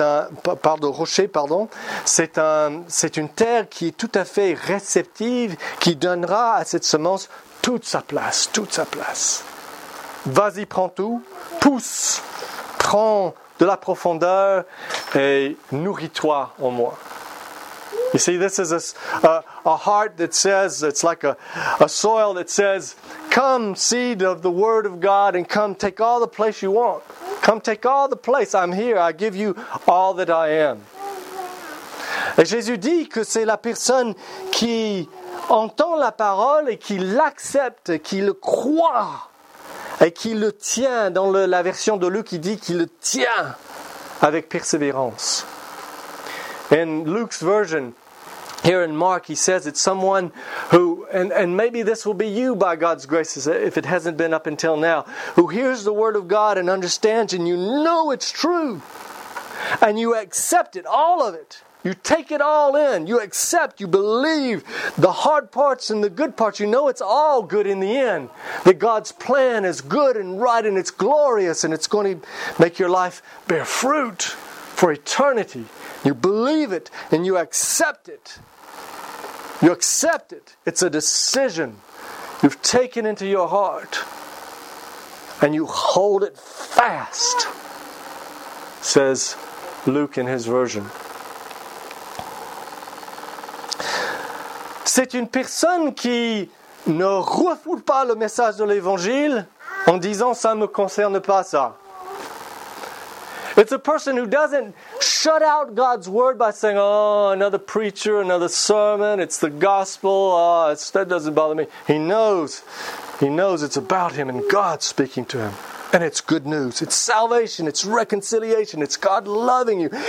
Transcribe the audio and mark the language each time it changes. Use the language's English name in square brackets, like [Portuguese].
[French] une terre qui est tout à fait réceptive, qui donnera à cette semence toute sa place, toute sa place. Vas-y, prends tout, pousse, prends de la profondeur et nourris-toi en moi. [English] You see, this is a heart that says, it's like a soil that says, come seed of the word of God and come take all the place you want. Come take all the place, I'm here, I give you all that I am. [French] Et Jésus dit que c'est la personne qui entend la parole et qui l'accepte, qui le croit et qui le tient. Dans la version de Luc, il dit qu'il le tient avec persévérance. [English] In Luke's version, here in Mark, he says it's someone who, and maybe this will be you by God's grace, if it hasn't been up until now, who hears the word of God and understands and you know it's true. And you accept it, all of it. You take it all in. You accept, you believe the hard parts and the good parts. You know it's all good in the end. That God's plan is good and right and it's glorious and it's going to make your life bear fruit for eternity. You believe it and you accept it. You accept it. It's a decision you've taken into your heart. And you hold it fast, says Luke in his version. [French] C'est une personne qui ne refoule pas le message de l'Évangile en disant « ça ne me concerne pas ça ». [English] It's a person who doesn't shut out God's word by saying, oh, another preacher, another sermon, it's the gospel, that doesn't bother me. He knows it's about him and God speaking to him. And it's good news, it's salvation, it's reconciliation, it's God loving you.